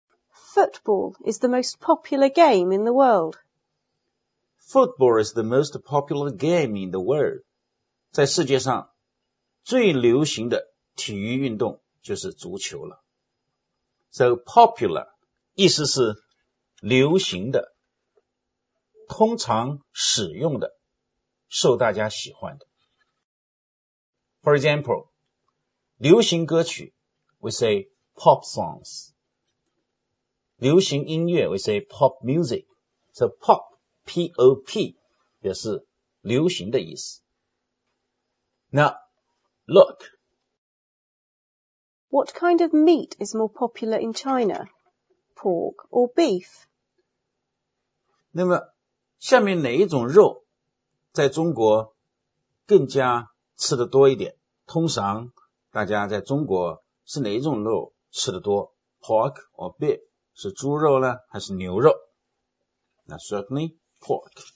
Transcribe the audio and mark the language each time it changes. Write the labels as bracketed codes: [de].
[en] Football is the most popular game in the world. Football is the most popular game in the world. [zh] 在世界上最流行的体育运动就是足球了。 [en] So popular. [zh] 意思是流行的、通常使用的、受大家喜欢的。 [en] For example, [zh] 流行歌曲 [en] we say pop songs. [zh] 流行音乐 [en] we say pop music. So pop, P-O-P, [zh] 表示流行的意思。 [en] Now, look. What kind of meat is more popular in China? Pork or beef? [zh] 那么下面哪一种肉在中国更加吃得多一点？通常大家在中国是哪一种肉吃得多 ? [en] Pork or beef? [zh] 是猪肉呢还是牛肉？那 [en] certainly pork.